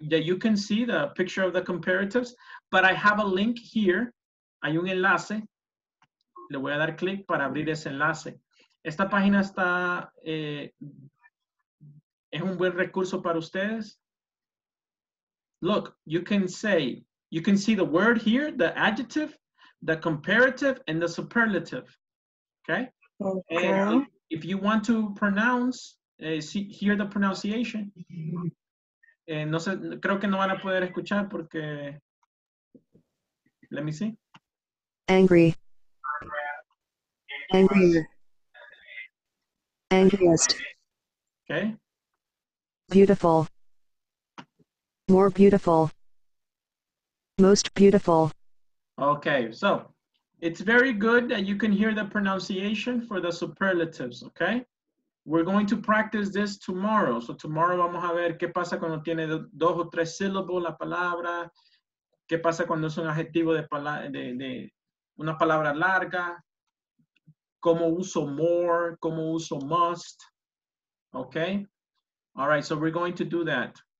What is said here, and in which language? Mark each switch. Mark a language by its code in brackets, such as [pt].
[en] Yeah, you can see the picture of the comparatives, but I have a link here. [es] Hay un enlace. Le voy a dar clic para abrir ese enlace. Esta página está, es un buen recurso para ustedes. [en] Look, you can see the word here, the adjective, the comparative, and the superlative. Okay? Okay. And if you want to pronounce, hear the pronunciation. [es] No sé, creo que no van a poder escuchar porque... [en] Let me see. Angry. Angry. Angriest. Okay. Beautiful. More beautiful. Most beautiful. Okay, so it's very good that you can hear the pronunciation for the superlatives, okay? We're going to practice this tomorrow. So tomorrow [es] vamos a ver qué pasa cuando tiene dos o tres syllables la palabra, qué pasa cuando es un adjetivo de una palabra larga, cómo uso more, cómo uso must, okay? [en] All right, so we're going to do that.